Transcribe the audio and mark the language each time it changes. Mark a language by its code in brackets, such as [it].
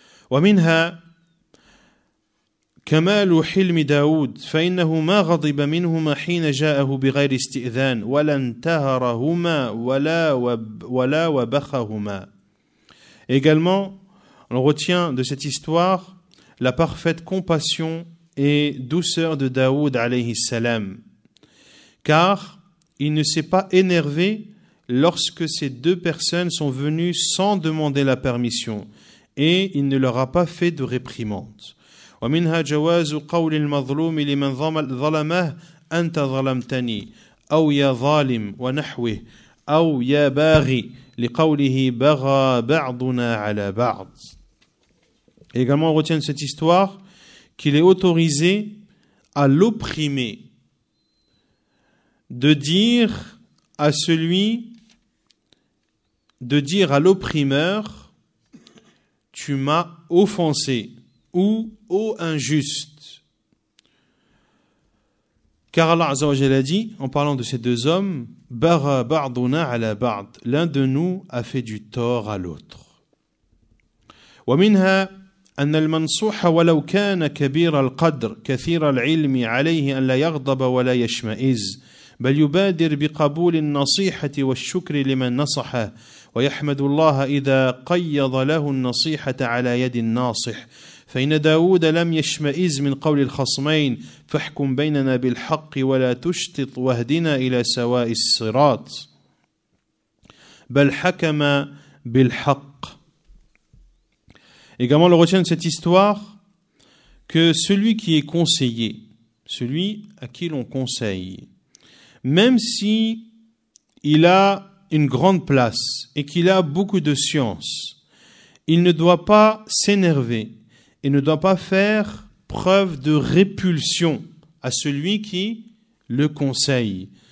[ar] ومنها كمال حلم داود فإنه ما غضب منهما حين جاءه بغير استئذان ولا انتهرهما ولا وبخهما. [fr] Également, on retient de cette histoire la parfaite compassion et douceur de Daoud alayhi salam, car il ne s'est pas énervé lorsque ces deux personnes sont venues sans demander la permission et il ne leur a pas fait de réprimande. [ar] ومنها جواز قول المظلوم لمن ظلمه أنت ظلمتني أو يا ظالم ونحوه أو يا باغي لقوله بغى بعضنا على بعض. [fr] Également, on retient cette histoire qu'il est autorisé à l'opprimé de dire à celui, de dire à l'opprimeur, tu m'as offensé ou ô injuste. Car Allah Azza wa Jalla a dit, en parlant de ces deux hommes, [ar] bara ba'duna ala ba'd, [fr] l'un de nous a fait du tort à l'autre. [ar] Wa minha أن المنصوح ولو كان كبير القدر كثير العلم عليه أن لا يغضب ولا يشمئز بل يبادر بقبول النصيحة والشكر لمن نصحه ويحمد الله إذا قيض له النصيحة على يد الناصح فإن داود لم يشمئز من قول الخصمين فاحكم بيننا بالحق ولا تشتط واهدنا إلى سواء الصراط بل حكم بالحق. [fr] Également, on retient de cette histoire que celui qui est conseillé, celui à qui l'on conseille, même si il a une grande place et qu'il a beaucoup de science, il ne doit pas s'énerver et ne doit pas faire preuve de répulsion à celui qui le conseille.